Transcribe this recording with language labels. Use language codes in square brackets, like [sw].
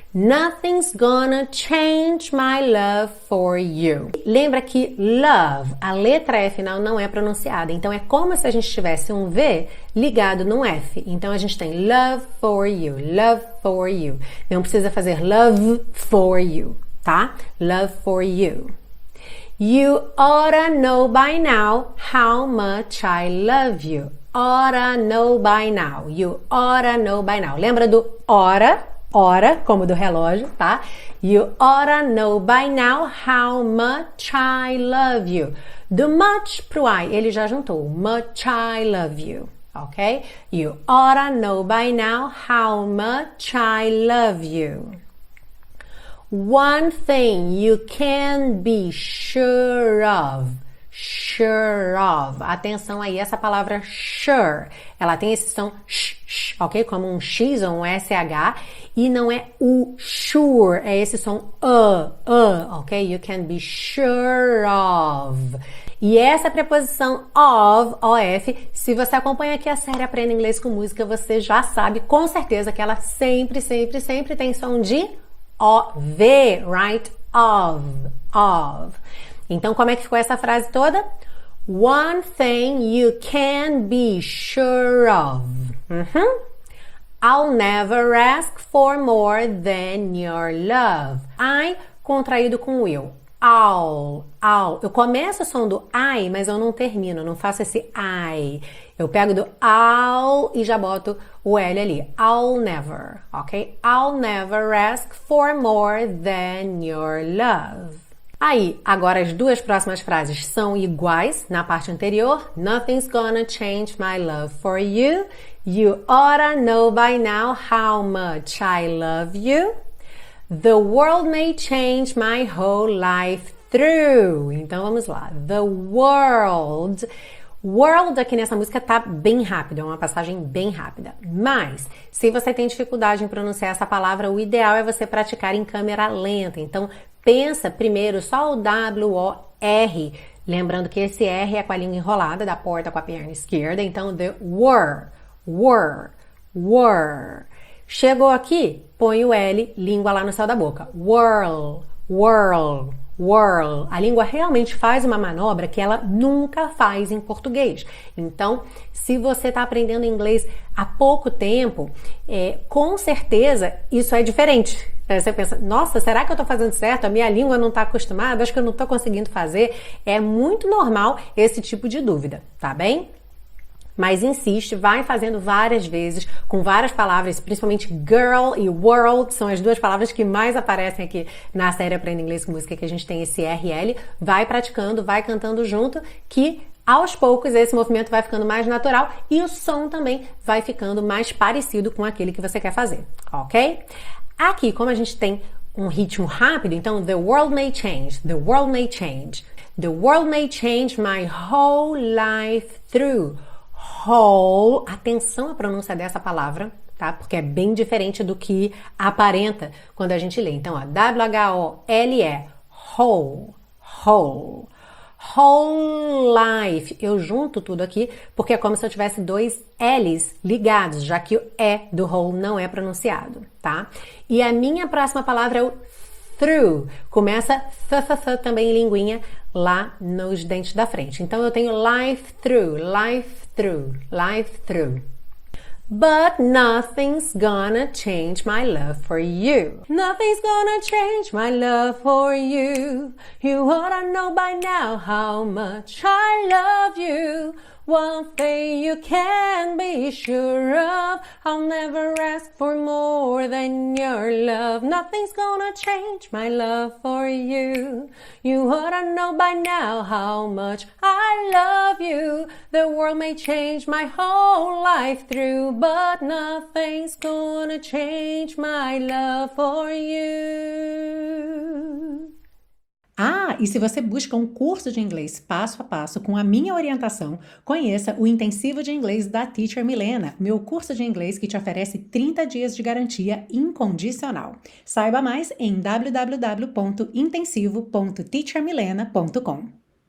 [en] Nothing's gonna change my love for you. [pt] Lembra que love, a letra F final não é pronunciada. Então é como se a gente tivesse um V ligado num F. Então a gente tem [en] love for you, love for you. [pt] Não precisa fazer [en] love for you, [pt] tá? [en] Love for you. You oughta know by now how much I love you. Oughta know by now. You oughta know by now. [pt] Lembra do ora? Ora, como do relógio, tá? [en] You oughta know by now how much I love you. [pt] Do much pro I, ele já juntou. [en] Much I love you, ok? You oughta know by now how much I love you. One thing you can be sure of. Sure of. [pt] Atenção aí, essa palavra sure, ela tem esse som sh, ok? Como um X ou um SH. E não é o sure, é esse som ok? [en] You can be sure of. [pt] E essa preposição of, OF, se você acompanha aqui a série Aprenda Inglês com Música, você já sabe com certeza que ela sempre, sempre, sempre tem som de OV, right? Of, of. Então, como é que ficou essa frase toda? [en] One thing you can be sure of. Uhum. I'll never ask for more than your love. [pt] I contraído com will. I'll. Eu começo o som do I, mas eu não termino, não faço esse I. Eu pego do I'll e já boto o L ali. [en] I'll never, ok? I'll never ask for more than your love. [pt] Aí, agora as duas próximas frases são iguais na parte anterior. [en] Nothing's gonna change my love for you. You oughta know by now how much I love you. The world may change my whole life through. [pt] Então vamos lá. The world. World aqui nessa música tá bem rápido, é uma passagem bem rápida. Mas, se você tem dificuldade em pronunciar essa palavra, o ideal é você praticar em câmera lenta. Então, pensa primeiro só o W-O-R, lembrando que esse R é com a língua enrolada da porta com a perna esquerda. [en] Então, the were, were, were. [pt] Chegou aqui, põe o L, língua lá no céu da boca. Whirl, whirl, whirl. A língua realmente faz uma manobra que ela nunca faz em português. Então, se você está aprendendo inglês há pouco tempo, com certeza isso é diferente. Aí você pensa, nossa, será que eu estou fazendo certo? A minha língua não está acostumada? Acho que eu não estou conseguindo fazer. É muito normal esse tipo de dúvida, tá bem? Mas insiste, vai fazendo várias vezes, com várias palavras, principalmente girl e world, são as duas palavras que mais aparecem aqui na série Aprenda Inglês com Música, que a gente tem esse RL. Vai praticando, vai cantando junto, que aos poucos esse movimento vai ficando mais natural e o som também vai ficando mais parecido com aquele que você quer fazer, ok? Aqui, como a gente tem um ritmo rápido, então [en] the world may change, [pt] the world may change. [en] The world may change my whole life through. [pt] Whole, atenção à pronúncia dessa palavra, tá? Porque é bem diferente do que aparenta quando a gente lê. Então, ó, W-H-O-L-E, whole, whole. Whole life, eu junto tudo aqui porque é como se eu tivesse dois L's ligados, já que o E do whole não é pronunciado, tá? E a minha próxima palavra é o through, começa th também em linguinha lá nos dentes da frente. Então eu tenho [en] life through, life through, life through. But nothing's gonna change my love for you. Nothing's gonna change my love for you. You oughta know by now how much I love you. One thing you can be sure of, I'll never ask for more than your love. Nothing's gonna change my love for you. You ought to know by now how much I love you. The world may change my whole life through, but nothing's gonna change my love for you. [pt] Ah, e se você busca um curso de inglês passo a passo com a minha orientação, conheça o Intensivo de Inglês da Teacher Milena, meu curso de inglês que te oferece 30 dias de garantia incondicional. Saiba mais em www.intensivo.teachermilena.com.